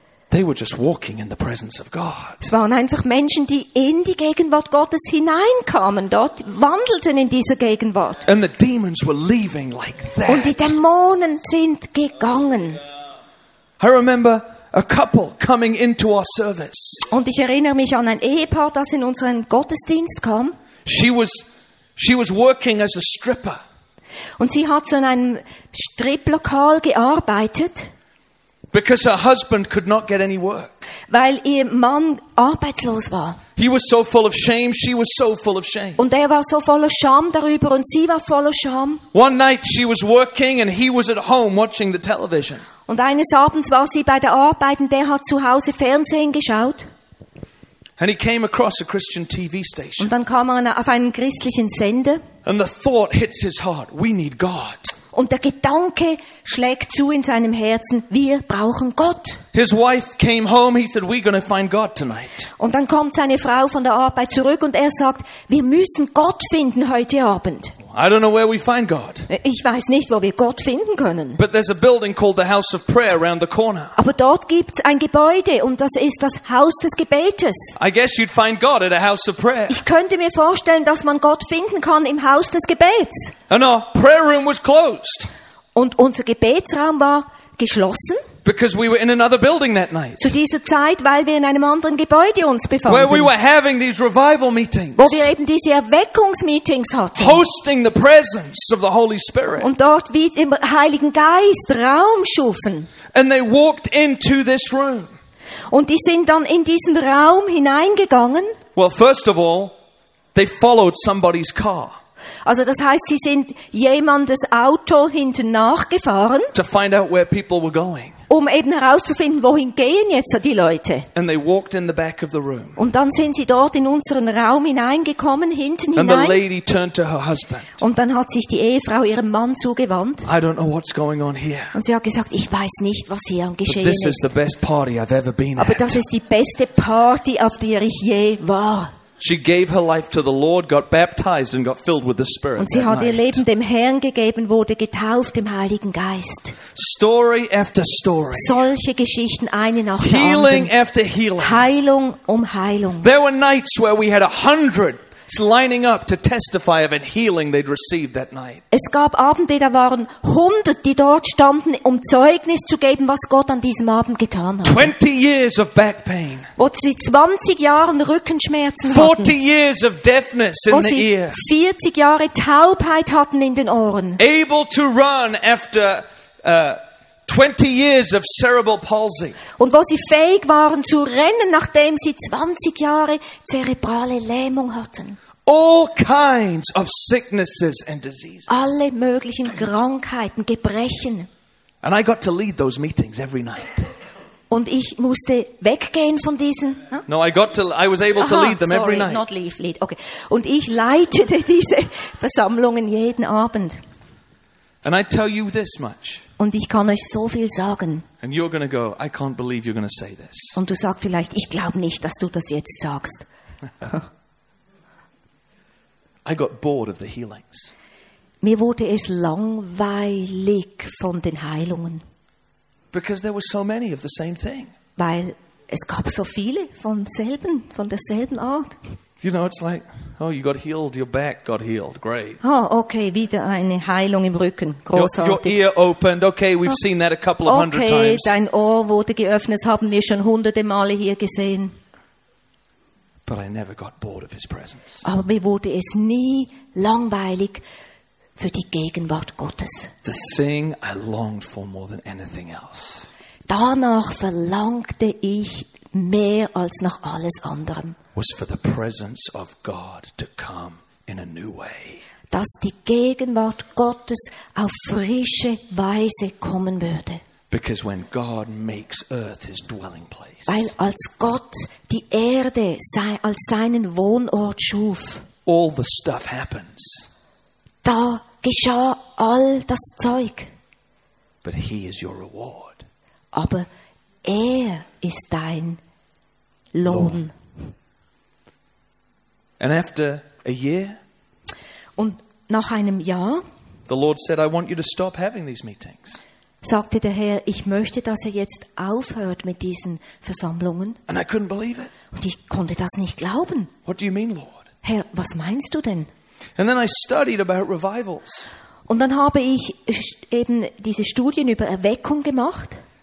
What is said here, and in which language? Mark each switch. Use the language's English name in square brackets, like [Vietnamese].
[English] They were just walking in the presence of God. [German] Es waren einfach Menschen, die in die Gegenwart Gottes hineinkamen, dort wandelten in dieser Gegenwart. [English] And the demons were leaving like that. [German] Und die Dämonen sind gegangen. [English] I remember a couple coming into our service. [German] Und ich erinnere mich an ein Ehepaar, das in unseren Gottesdienst kam. [English] She was working as a stripper. [German] Und sie hat so in einem Stripplokal gearbeitet. [English] Because her husband could not get any work. [German] Weil ihr Mann arbeitslos war. [English] He was so full of shame, she was so full of shame. [German] Und er war so voller Scham darüber und sie war voller Scham. [English] One night she was working and he was at home watching the television. [German] Und eines Abends war sie bei der Arbeit und er hat zu Hause Fernsehen geschaut. [English] And he came across a Christian TV station. [German] Und dann kam auf einen christlichen Sender. [English] And the thought hits his heart, we need God. [German] Und der Gedanke schlägt zu in seinem Herzen, wir brauchen Gott. [English] His wife came home, he said, we're going to find God tonight. [German] Und dann kommt seine Frau von der Arbeit zurück und er sagt, wir müssen Gott finden heute Abend. [English] I don't know where we find God. [German] Ich weiß nicht, wo wir Gott finden können. [English] But there's a building called the House of Prayer around the corner. [German] Aber dort gibt's ein Gebäude und das ist das Haus des Gebetes. [English] I guess you'd find God at a House of Prayer. [German] Ich könnte mir vorstellen, dass man Gott finden kann im Haus des Gebets. [English] And our prayer room was closed. [German] Und unser Gebetsraum war geschlossen. [English] Because we were in another building that night. [German] Zu dieser Zeit, weil wir in einem anderen Gebäude uns befanden. [English] Where we were having these revival meetings. [German] Wo wir eben diese Erweckungsmeetings hatten. [English] Hosting the presence of the Holy Spirit. [German] Und dort wie im Heiligen Geist Raum schufen. [English] And they walked into this room. [German] Und die sind dann in diesen Raum hineingegangen. [English] Well, first of all, they followed somebody's car. [German] Also das heißt, sie sind jemandes Auto hinten nachgefahren, [English] to find out where people were going. [German] Um eben herauszufinden, wohin gehen jetzt die Leute. [English] And they walked in the back of the room. [German] Und dann sind sie dort in unseren Raum hineingekommen, hinten [English] and [German] hinein. [English] The lady turned to her husband. [German] Und dann hat sich die Ehefrau ihrem Mann zugewandt. [English] I don't know what's going on here. [German] Und sie hat gesagt, ich weiß nicht, was hier am Geschehen [English] this [German] ist. [English] Is the best party I've ever been [German] Aber [English] at. [German] Das ist die beste Party, auf der ich je war. [English] She gave her life to the Lord, got baptized and got filled with the Spirit. [German] Und sie hat ihr Leben dem Herrn gegeben, wurde getauft im Heiligen Geist. [English] Story after story. [German] Solche Geschichten eine nach der [English] healing [German] anderen. [English] Healing after healing. [German] Heilung um Heilung. [English] There were nights where we had 100 lining up to testify of a healing they'd received that night. [German] Es gab Abende, da waren 100, die dort standen, um Zeugnis zu geben, was Gott an diesem Abend getan hat. [English] 20 years of back pain. [German] Wo sie 20 Jahren Rückenschmerzen hatten. [English] 40 years of deafness in the ear. [German] 40 Jahre Taubheit hatten in den Ohren. [English] Able to run after 20 years of cerebral palsy. [German] Und wo sie fähig waren zu rennen, nachdem sie 20 Jahre zerebrale Lähmung hatten. [English] All kinds of sicknesses and diseases. [German] Alle möglichen Krankheiten, Gebrechen. [English] And I got to lead those meetings every night. [German] Und ich musste weggehen von diesen. [English] Huh? No, I was able to lead them every night. Not leave, lead. Okay. [German] Und ich leitete diese Versammlungen jeden Abend. [English] And I tell you this much. [German] Und ich kann euch so viel sagen. [English] And you're gonna go, I can't believe you're gonna say this. [German] Und du sagst vielleicht, ich glaube nicht, dass du das jetzt sagst. [English] I got bored of the healings. [German] Mir wurde es langweilig von den Heilungen. [English] Because there were so many of the same thing. [German] Weil es gab so viele von derselben Art. [English] You know, it's like, oh, you got healed, your back got healed, great. [German] Oh, okay, wieder eine Heilung im Rücken, großartig. [English] Your ear opened, okay, we've seen that a couple of hundred times. [German] Okay, dein Ohr wurde geöffnet, das haben wir schon hunderte Male hier gesehen. [English] But I never got bored of his presence. [German] Aber mir wurde es nie langweilig für die Gegenwart Gottes. [English] The thing I longed for more than anything else. [German] Danach verlangte ich mehr als nach alles anderem. [English] Was for the presence of God to come in a new way. [German] Dass die Gegenwart Gottes auf frische Weise kommen würde. [English] Because when God makes earth his dwelling place. [German] Weil als Gott die Erde als seinen Wohnort schuf. [English] All the stuff happens. [German] Da geschah all das Zeug. [English] But he is your reward. [German] Aber er ist dein Lohn. Lohn. [English] And after a year, [German] und nach einem Jahr, [English] the Lord said, "I want you to stop having these meetings." [German] Sagte der Herr, ich möchte, dass er jetzt aufhört mit diesen Versammlungen. [English] And I couldn't believe it. [German] Und ich konnte das nicht glauben. [English] What do you mean, Lord? [German] Herr, was meinst du denn? [English] And then I studied about revivals. [German] Und dann habe ich eben diese Studien über Erweckung gemacht.